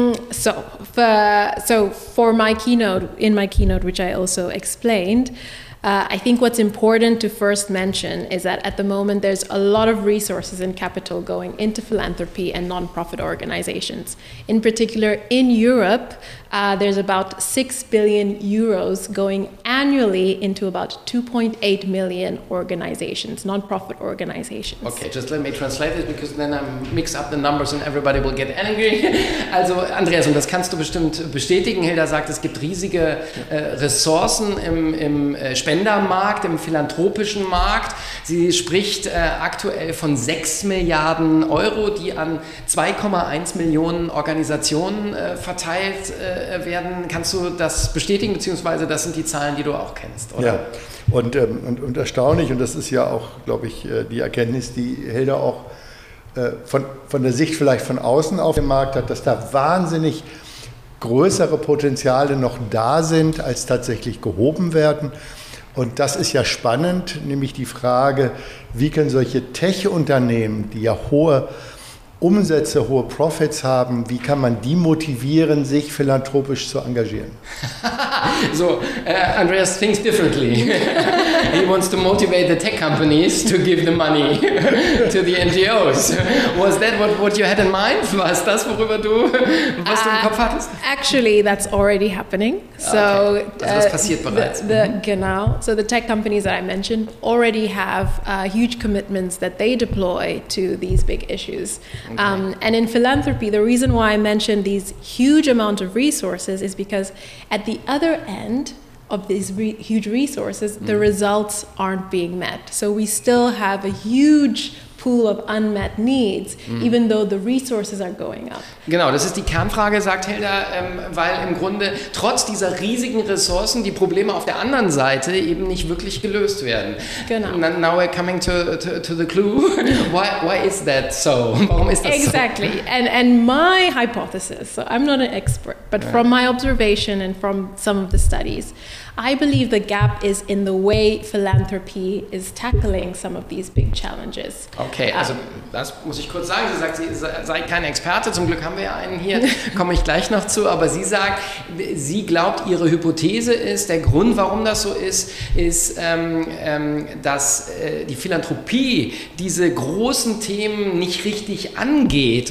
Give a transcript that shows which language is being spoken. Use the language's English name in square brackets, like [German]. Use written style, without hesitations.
[English] So for my keynote, which I also explained, I think what's important to first mention is that at the moment there's a lot of resources and capital going into philanthropy and nonprofit organizations. In particular, in Europe, there's about 6 billion euros going annually into about 2.8 million organizations, nonprofit organizations. Okay, just let me translate this, because then I mix up the numbers and everybody will get angry. [German] Also Andreas, und das kannst du bestimmt bestätigen, Hilda sagt, es gibt riesige Ressourcen im Spendermarkt, im philanthropischen Markt. Sie spricht aktuell von 6 Milliarden Euro, die an 2,1 Millionen Organisationen verteilt werden. Kannst du das bestätigen, beziehungsweise das sind die Zahlen, die du auch kennst, oder? Ja, und erstaunlich, und das ist ja auch, glaube ich, die Erkenntnis, die Hilda auch von der Sicht vielleicht von außen auf dem Markt hat, dass da wahnsinnig größere Potenziale noch da sind, als tatsächlich gehoben werden. Und das ist ja spannend, nämlich die Frage, wie können solche Tech-Unternehmen, die ja hohe Umsätze, hohe Profits haben, wie kann man die motivieren, sich philanthropisch zu engagieren? [English] So, Andreas thinks differently. He wants to motivate the tech companies to give the money to the NGOs. Was that what you had in mind? [German] Was das, worüber du, was du im Kopf hattest? [English] Actually, that's already happening. So, okay. [German] Also das passiert bereits. Genau. [English] So the tech companies that I mentioned already have huge commitments that they deploy to these big issues. Okay. And in philanthropy, the reason why I mentioned these huge amount of resources is because at the other end of these huge resources, the results aren't being met. So we still have a huge pool of unmet needs, even though the resources are going up. [German] Genau, das ist die Kernfrage, sagt Hilda, weil im Grunde trotz dieser riesigen Ressourcen die Probleme auf der anderen Seite eben nicht wirklich gelöst werden. Genau. [English] Now we're coming to the clue. Why is that so? [German] Warum ist das [English] exactly. so? Exactly. And my hypothesis, so I'm not an expert, but from my observation and from some of the studies, I believe the gap is in the way philanthropy is tackling some of these big challenges. [German] Okay, also das muss ich kurz sagen. Sie sagt, sie sei kein Experte. Zum Glück haben wir ja einen hier. Komme ich gleich noch zu. Aber sie sagt, sie glaubt, ihre Hypothese ist, der Grund, warum das so ist, ist, dass die Philanthropie diese großen Themen nicht richtig angeht.